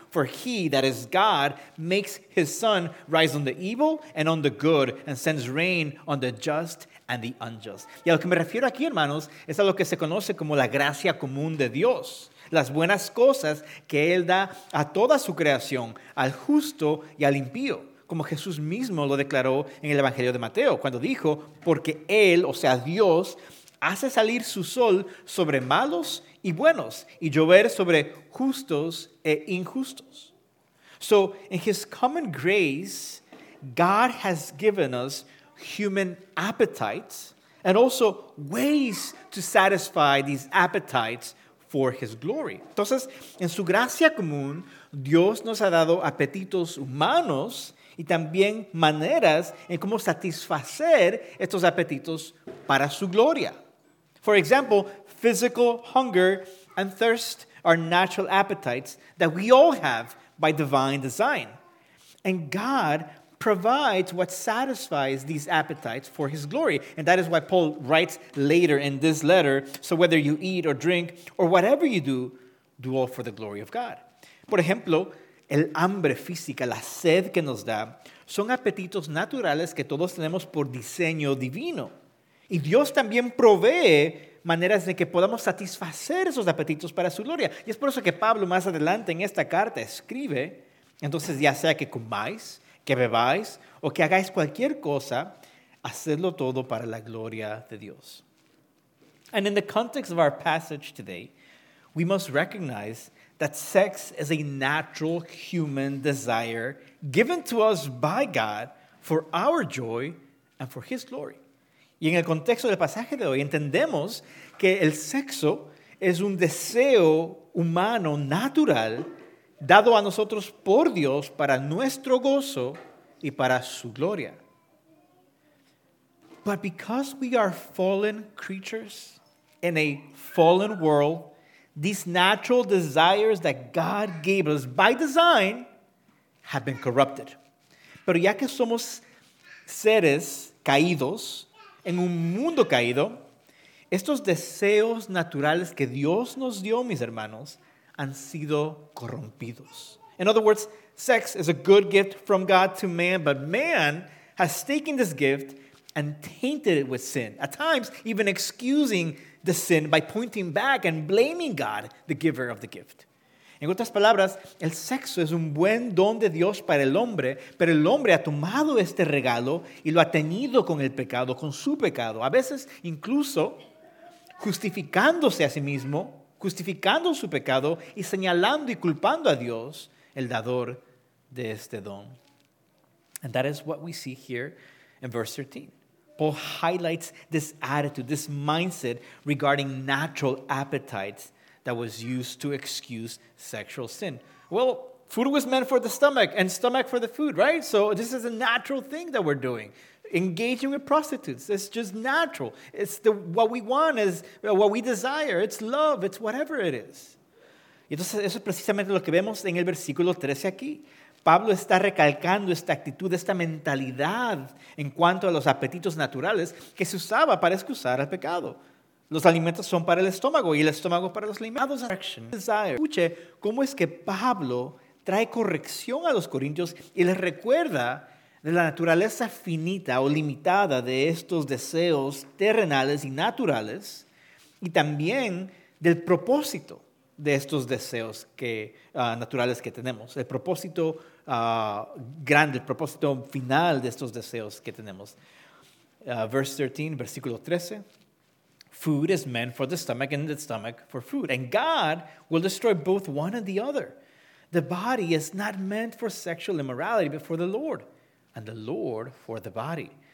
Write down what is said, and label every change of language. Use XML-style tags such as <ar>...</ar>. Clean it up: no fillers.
<en>For he, that is God, makes his sun rise on the evil and on the good and sends rain on the just and the unjust.</en> <es>Y a lo que me refiero aquí, hermanos, es a lo que se conoce como la gracia común de Dios. Las buenas cosas que él da a toda su creación, al justo y al impío. Como Jesús mismo lo declaró en el Evangelio de Mateo, cuando dijo, porque Él, o sea Dios, hace salir su sol sobre malos y buenos, y llover sobre justos e injustos.</es> <en>So in his common grace, God has given us human appetites and also ways to satisfy these appetites for his glory.</en> <es>Entonces, en su gracia común, Dios nos ha dado apetitos humanos y también maneras en cómo satisfacer estos apetitos para su gloria.</es> <en>For example, physical hunger and thirst are natural appetites that we all have by divine design. And God provides what satisfies these appetites for his glory. And that is why Paul writes later in this letter, so whether you eat or drink or whatever you do, do all for the glory of God.</en> <es>Por ejemplo, el hambre física, la sed que nos da, son apetitos naturales que todos tenemos por diseño divino. Y Dios también provee maneras de que podamos satisfacer esos apetitos para su gloria. Y es por eso que Pablo más adelante en esta carta escribe, entonces ya sea que comáis, que bebáis o que hagáis cualquier cosa, hacedlo todo para la gloria de Dios.</es> <en>And in the context of our passage today, we must recognize that sex is a natural human desire given to us by God for our joy and for his glory.</en> <es>Y en el contexto del pasaje de hoy, entendemos que el sexo es un deseo humano natural dado a nosotros por Dios para nuestro gozo y para su gloria.</es> <en>But because we are fallen creatures in a fallen world, these natural desires that God gave us by design have been corrupted.</en> <es>Pero ya que somos seres caídos en un mundo caído, estos deseos naturales que Dios nos dio, mis hermanos, han sido corrompidos.</es> <en>In other words, sex is a good gift from God to man, but man has taken this gift and tainted it with sin, at times even excusing the sin by pointing back and blaming God, the giver of the gift.</en> <es>En otras palabras, el sexo es un buen don de Dios para el hombre, pero el hombre ha tomado este regalo y lo ha teñido con el pecado, con su pecado. A veces, incluso, justificándose a sí mismo, justificando su pecado y señalando y culpando a Dios, el dador de este don.</es> <en>And that is what we see here in verse 13. Paul highlights this attitude, this mindset regarding natural appetites that was used to excuse sexual sin. Well, food was meant for the stomach and stomach for the food, right? So this is a natural thing that we're doing. Engaging with prostitutes, it's just natural. It's the what we want is what we desire. It's love, it's whatever it is.</en> <es>Y entonces eso es precisamente lo que vemos en el versículo 13 aquí. Pablo está recalcando esta actitud, esta mentalidad en cuanto a los apetitos naturales que se usaba para excusar al pecado. Los alimentos son para el estómago y el estómago para los alimentos. Escuche cómo es que Pablo trae corrección a los corintios y les recuerda de la naturaleza finita o limitada de estos deseos terrenales y naturales y también del propósito de estos deseos que, naturales que tenemos, el propósito grande, el propósito final de estos deseos que tenemos. Verse 13, versículo 13.</es> <en>Food is meant for the stomach and the stomach for food. And God will destroy both one and the other. The body is not meant for sexual immorality, but for the Lord. And the Lord for the body.</en>